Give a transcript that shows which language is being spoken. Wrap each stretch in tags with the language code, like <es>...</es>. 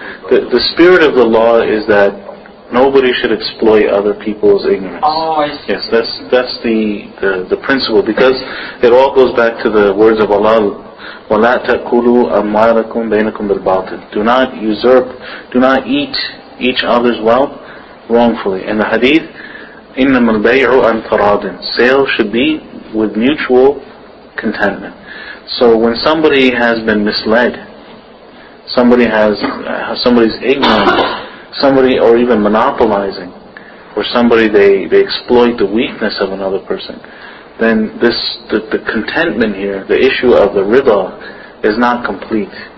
<en>The spirit of the law is that nobody should exploit other people's ignorance. Oh, I see. Yes, that's the principle, because it all goes back to the words of Allah,</en> <ar>وَلَا تَأْكُلُوا أَمْوَالَكُمْ بَيْنَكُمْ بِالْبَاطِلِ.</ar> <en>Do not usurp, do not eat each other's wealth wrongfully. In the hadith,</en> <ar>إِنَّمَا الْبَيْعُ أَنْ تَرَادٍ.</ar> <en>Sale should be with mutual contentment. So when somebody has been misled, somebody's ignorant, somebody, or even monopolizing, or somebody, they exploit the weakness of another person, then this, the contentment here, the issue of the riba, is not complete.</en>